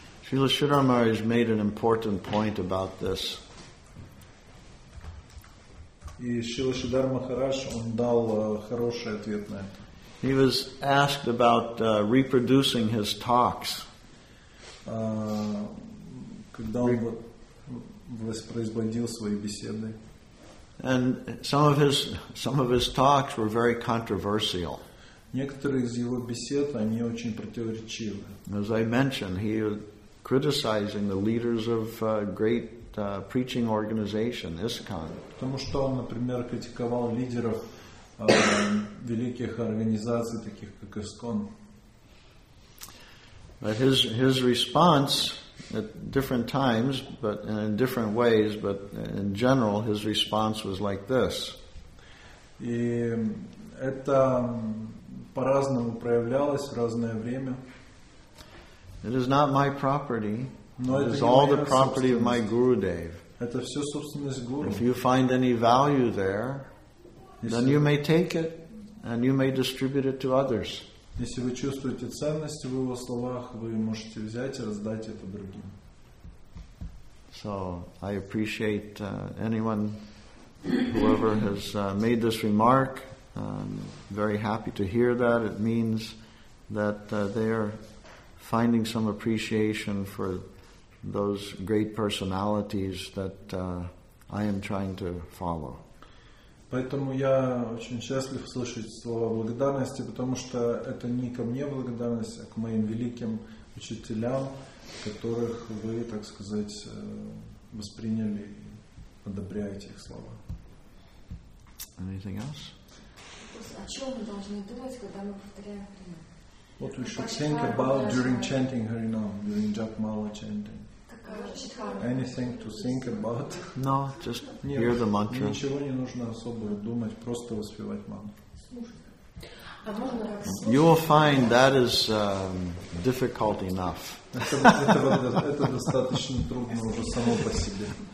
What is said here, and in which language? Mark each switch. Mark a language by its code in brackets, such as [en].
[en] Srila Sridhara Maharaj made an important point about this. [ru] И Шрила Шридхар Махарадж, он дал хороший ответ на это. [en] He was asked about reproducing his talks. [ru] Когда он воспроизводил свои беседы. [en] And some of his talks were very controversial. [ru] Некоторые из его бесед, они очень противоречивы. [en] As I mentioned, he was criticizing the leaders of great preaching organization, ISKCON. [ru] Потому что он, например, критиковал лидеров великих организаций, таких как ISKCON. [en] But his response at different times, but in different ways, but in general, his response was like this. [ru] И это по-разному проявлялось в разное время. [en] It is not my property. It is all the property of my Gurudev. [ru] Это все собственность гуру. [en] If you find any value there, then you may take it and you may distribute it to others. [ru] Если вы чувствуете ценность в его словах, вы можете взять и раздать это другим. [en] So I appreciate anyone, whoever has made this remark. I'm very happy to hear that. It means that they are finding some appreciation for those great personalities that I am trying to follow. [ru] Поэтому я очень счастлив слышать слова благодарности, потому что это не ко мне благодарность, а к моим великим учителям, которых вы, так сказать, восприняли и одобряете их слова. [en] Anything else? [ru] О чем мы должны думать, когда мы повторяем Харинам? [en] What we should think about during chanting Харинам, during Japmala chanting. Anything to think about? No, just hear the mantra. [ru] Ничего не нужно особо думать, просто воспевать мантру. [en] You will find that is difficult enough. [ru] Это достаточно трудно уже само по себе.